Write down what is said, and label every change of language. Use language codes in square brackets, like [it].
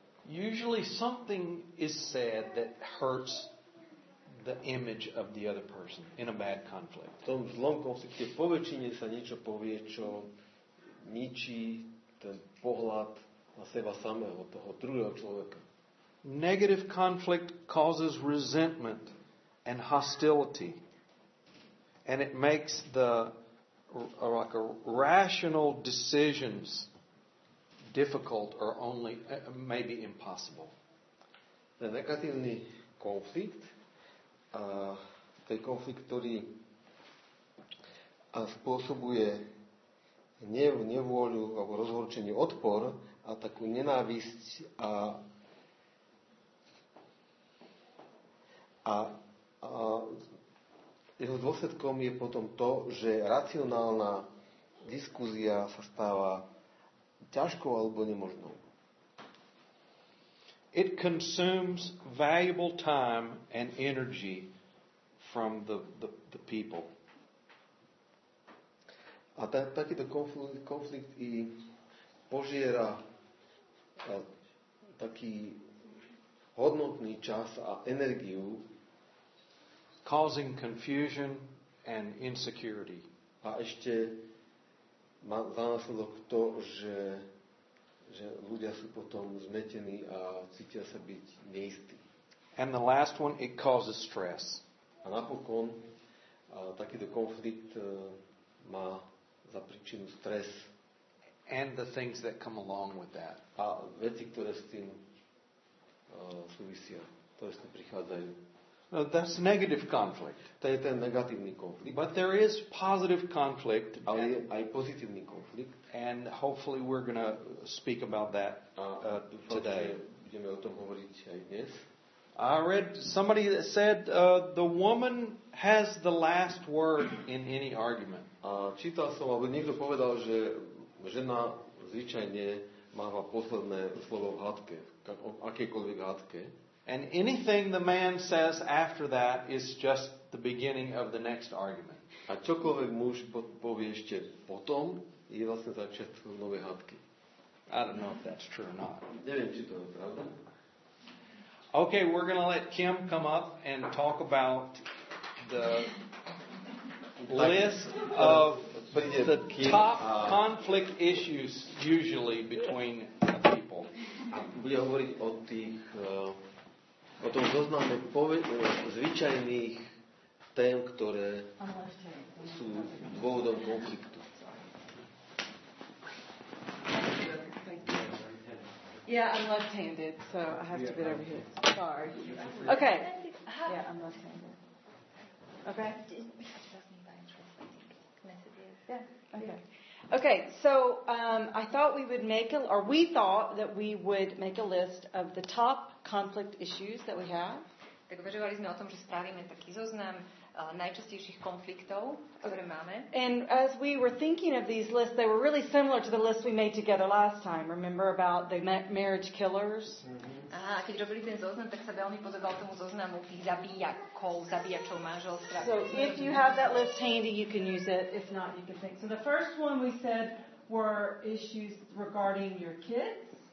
[en] Usually something is said that hurts the image of the other person in a bad conflict. [sk] V tom zlom konflikte poväčšine sa niečo povie, čo ničí ten pohľad na seba samého, toho druhého človeka. [en] Negative conflict causes resentment and hostility. And it makes the like a rational decisions difficult or only maybe impossible. [sk] Ten negatívny konflikt a ten konflikt, ktorý spôsobuje nevôľu alebo rozhorčenie, odpor a takú nenávisť a jeho dôsledkom je potom to, že racionálna diskusia sa stáva ťažkou alebo nemožnou. [en] It consumes valuable time and energy from the people. [sk] A takýto konflikt i požiera taký hodnotný čas a energiu, [en] causing confusion and insecurity. [sk] A ešte má za následok to, že ľudia sú potom zmetení a cítia sa byť neistí. [en] And the last one, it causes stress. [sk] A napokon takýto konflikt má za príčinu stres. [en] And the things that come along with that. [sk] A veci, ktoré s tým súvisia, ktoré s tým prichádzajú. [en] No, that's negative conflict. [sk] To je ten negatívny konflikt. [en] But there is positive conflict. [sk] Ale je aj pozitívny konflikt. [en] And hopefully we're going to speak about that today. [sk] Budeme o tom hovoriť aj dnes. [en] I read somebody that said the woman has the last word in any argument. [sk] Čítal som, alebo niekto povedal, že Žena zvyčajne máva posledné slovo v hádke, v akejkoľvek hádke. [en] And anything the man says after that is just the beginning of the next argument. [sk] A čokoľvek muž povie ešte potom, je vlastne začiatkom novej hádky. [en] I don't know if that's true or not. [sk] Neviem, či to je pravda. [en] Okay, we're going to let Kim come up and talk about the list of the top conflict issues usually between people. [sk] Bude hovoriť o tých o tom zozname zvyčajných tém, ktoré sú dôvodom konfliktu. [en] Yeah, I'm left-handed, so I have to get over here. Sorry. Okay. Yeah, I'm left-handed. Okay. Yeah. Okay. Okay. So I thought we would make a list of the top conflict issues that we have. [sk] Tak uvažovali sme o tom, že spravíme taký zoznam najčastejších konfliktov, ktoré máme. [en] And as we were thinking of these lists, they were really similar to the list we made together last time. Remember about the marriage killers? Mm-hmm. [sk] A keď robili ten zoznam, tak sa veľmi podobal tomu zoznamu tých zabíjačov manželstva. [en] So if you have that list handy, you can use it. If not, you can think. So the first one we said were issues regarding your kids.